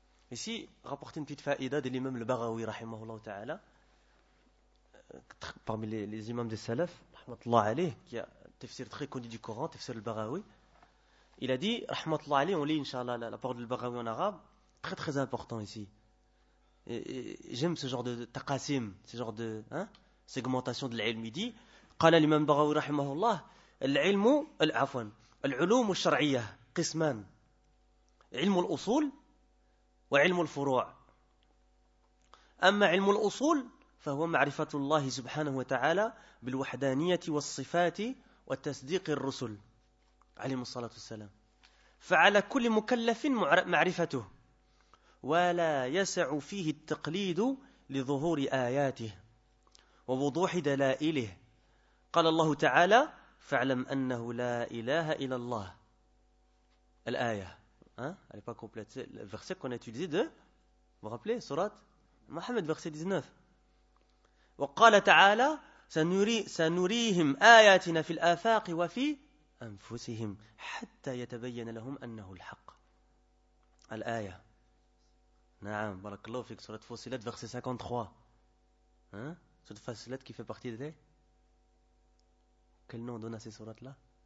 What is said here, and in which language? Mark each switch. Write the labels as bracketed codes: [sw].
[fr] Ici, rapportez une petite faïda de l'imam le Baraoui, rahimahullah ta'ala, parmi les imams des salafs, rahmatullah alayh, qui a tafsir très connu du Coran, tafsir le Baraoui. Il a dit, rahmatullah alayh, on lit, inshallah, la parole du Baraoui en arabe, très très important ici. Et j'aime ce genre de taqasim, ce genre de segmentation de l'ilm. Il dit, [ar] قال الإمام البغوي رحمه الله العلم عفوا العلوم الشرعية قسمان علم الأصول وعلم الفروع. أما علم الأصول فهو معرفة الله سبحانه وتعالى بالوحدانية والصفات وتصديق الرسل عليهم الصلاة والسلام، فعلى كل مكلف معرفته ولا يسع فيه التقليد لظهور آياته ووضوح دلائله. قال الله تعالى فاعلم أنه لا إله إلا الله الآية. [fr] Elle n'est pas complète. C'est le verset qu'on a utilisé de, vous rappelez, surat Mohammed, verset 19. [ar] وقال تعالى سنريهم آياتنا في الآفاق وفي أنفسهم حتى يتبين لهم أنه الحق الآية. نعم بارك الله فيك. سورة فصلت [fr] verset 53. سورة فصلت qui fait partie de... Quel nom on donne à ces sourates-là?